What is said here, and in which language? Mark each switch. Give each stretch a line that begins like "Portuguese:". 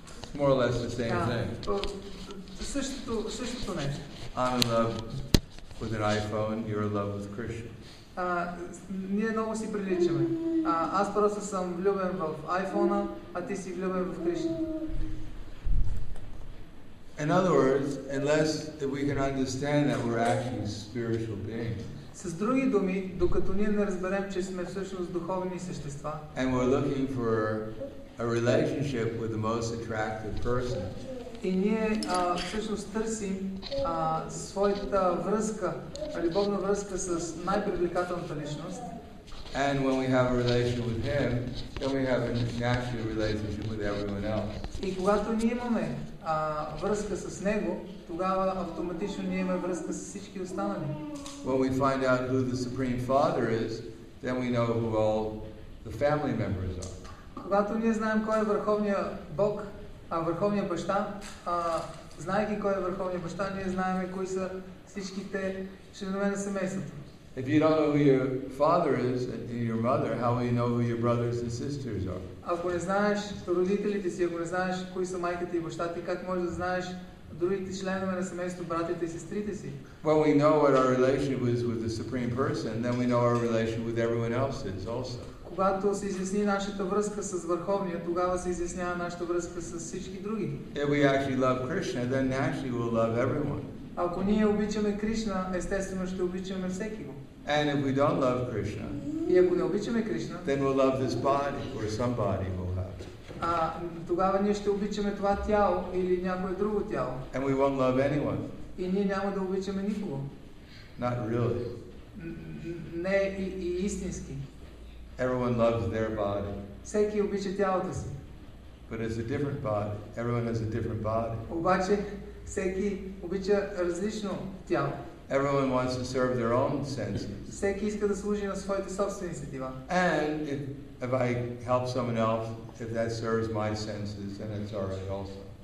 English: It's more or less the same thing.
Bulgarian: Същото нещо.
English: I'm in love with an iPhone, you're in love with Krishna.
Bulgarian: Ние много си приличаме. Аз просто съм влюбен в iPhone, а ти си влюбен в Кришна.
English: In other words, unless that we can understand that we're actually spiritual beings.
Bulgarian: С други думи, докато ние не разберем, че сме всъщност духовни същества.
English: And we're looking for a relationship with the most attractive person.
Bulgarian: И ние всъщност търсим своята връзка, любовна връзка с най-привлекателната личност.
English: And when we have a relation with him, then we have a natural relationship with everyone else.
Bulgarian: И когато ние имаме връзка с него, тогава автоматично ние имаме връзка с всички останали.
English: When we find out who the Supreme Father is, then we know who all the family members are.
Bulgarian: Когато ние знаем кой е върховният Бог, върховният баща, знаеки кой е върховният баща, ние знаем кои са всичките членове на семейството.
English: If you don't know who your father is and your mother, how will you know who your brothers and sisters are?
Bulgarian: Ако не знаеш родителите си, ако не знаеш кои са майката и бащата ти, как можеш да знаеш другите членове на семейството, братите и сестрите си?
English: When we know what our relationship is with the Supreme Person, then we know our relationship with everyone else is also.
Bulgarian: Когато се изясни нашата връзка с Върховния, тогава се изяснява нашата връзка с всички други.
English: If we actually love Krishna, then naturally we'll love everyone.
Bulgarian: Ако ние обичаме Кришна, естествено ще обичаме всеки.
English: And if we don't love Krishna,
Bulgarian: и ако не обичаме Кришна,
English: then we'll love this body or somebody we'll have.
Bulgarian: Тогава ние ще обичаме това тяло или някое друго тяло.
English: And we won't love anyone.
Bulgarian: И ние няма да обичаме никого.
English: Not really.
Bulgarian: Не и истински.
English: Everyone loves their body.
Bulgarian: Всеки обича тялото си.
English: But it's a different body. Everyone has a different body.
Bulgarian: Обаче всеки обича различно тяло.
English: Everyone wants to serve their own senses.
Bulgarian: Всеки иска да служи на своите собствени сетива.
English: And if I help someone else, if that serves my senses, then it's all right also.